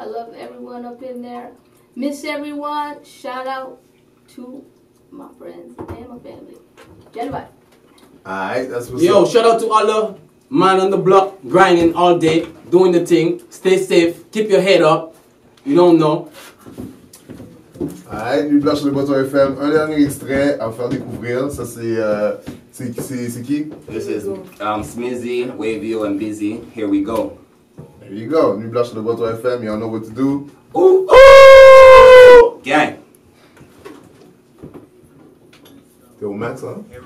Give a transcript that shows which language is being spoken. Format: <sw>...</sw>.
<en>I love everyone up in there. Miss everyone. Shout out to my friends and my family. Jenny Vibe. Alright, that's what's up. Yo, shout out to all of man on the block, grinding all day, doing the thing. Stay safe, keep your head up. You don't know.</en> <fr>Aïe, Nuit Blanche sur le bouton FM, un dernier extrait à vous faire découvrir, ça c'est qui?</fr> <en>This is Smizzy, Wavio and Busy, here we go. Here you go,</en> <fr>Nuit Blanche sur le bouton FM,</fr> <en>y'all know what to do. Ouh, ouh! Gang!</en> <fr>T'es au max, hein?</fr>